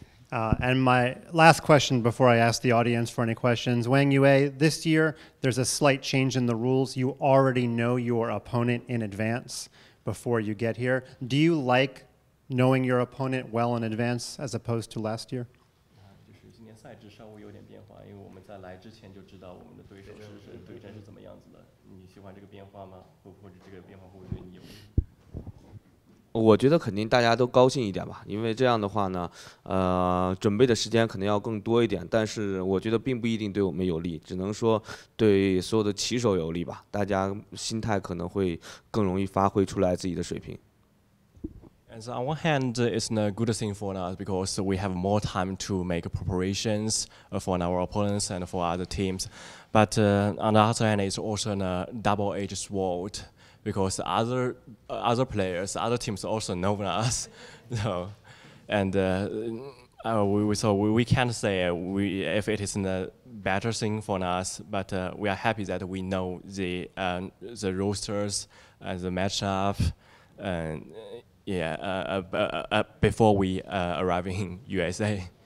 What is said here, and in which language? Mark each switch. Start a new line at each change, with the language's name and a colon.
English: And my last question before I ask the audience for any questions, Wang Yue, this year there's a slight change in the rules. You already know your opponent in advance before you get here. Do you like knowing your opponent well in advance as opposed to last year?
Chinese: 赛制稍微有点变化，因为我们在来之前就知道我们的对手是对战是怎么样子的。你喜欢这个变化吗？或者这个变化会不会对你有？我觉得肯定大家都高兴一点吧，因为这样的话呢，准备的时间可能要更多一点，但是我觉得并不一定对我们有利，只能说对所有的棋手有利吧。大家心态可能会更容易发挥出来自己的水平。
English: And so on one hand, it's a good thing for us because we have more time to make preparations for our opponents and for other teams. But on the other hand, it's also a double-edged sword. Because other players, other teams also know us, so, and we can't say if it is a better thing for us, but we are happy that we know the rosters and the matchup, before we arrive in USA.